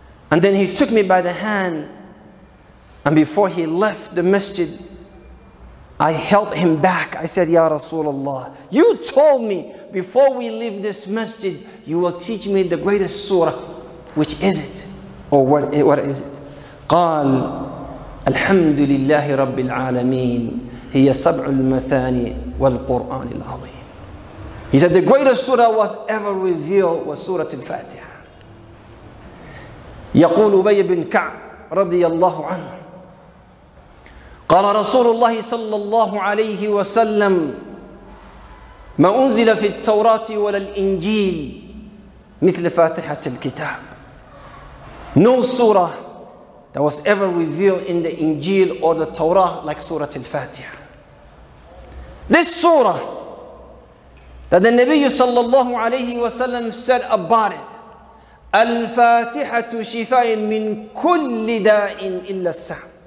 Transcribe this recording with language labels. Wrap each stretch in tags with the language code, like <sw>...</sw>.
<en>And then he took me by the hand. And before he left the masjid, I held him back. I said, Ya Rasulullah, you told me before we leave this masjid, you will teach me the greatest surah. Which is it? Or what is it?</en> <ar>قال الحمد لله رب العالمين هي سبع المثاني والقرآن العظيم.</ar> <en>He said the greatest surah was ever revealed was Surah Al-Fatiha.</en> <ar>يقول أبي بن كعب رضي الله عنه قال رسول الله صلى الله عليه وسلم ما أنزل في التوراة ولا الإنجيل مثل فاتحة الكتاب.</ar> <en>No surah that was ever revealed in the Injil or the Torah like Surah Al-Fatiha. This surah that the Nabi sallallahu alayhi wa sallam said about it, Al-Fatiha shifa'in min kulli da'in illa as-sam.</en>